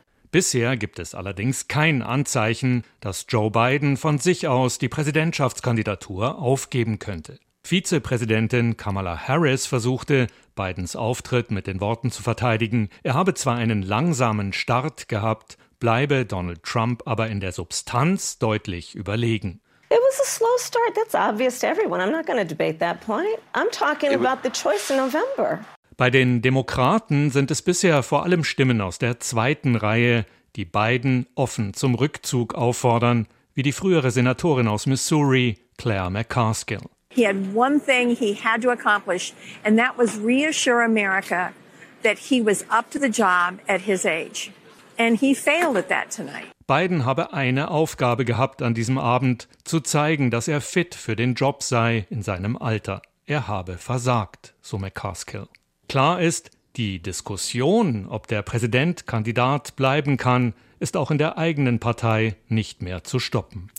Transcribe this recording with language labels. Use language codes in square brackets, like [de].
[de] Bisher gibt es allerdings kein Anzeichen, dass Joe Biden von sich aus die Präsidentschaftskandidatur aufgeben könnte. Vizepräsidentin Kamala Harris versuchte, Bidens Auftritt mit den Worten zu verteidigen. Er habe zwar einen langsamen Start gehabt, bleibe Donald Trump aber in der Substanz deutlich überlegen. [en] It was a slow start. That's obvious to everyone. I'm not going to debate that point. I'm talking about the choice in November. [de] Bei den Demokraten sind es bisher vor allem Stimmen aus der zweiten Reihe, die Biden offen zum Rückzug auffordern, wie die frühere Senatorin aus Missouri, Claire McCaskill. [en] He had one thing he had to accomplish, and that was reassure America that he was up to the job at his age. And he failed at that tonight. [de] Biden habe eine Aufgabe gehabt an diesem Abend, zu zeigen, dass er fit für den Job sei in seinem Alter. Er habe versagt, so McCaskill. Klar ist, die Diskussion, ob der Präsident Kandidat bleiben kann, ist auch in der eigenen Partei nicht mehr zu stoppen.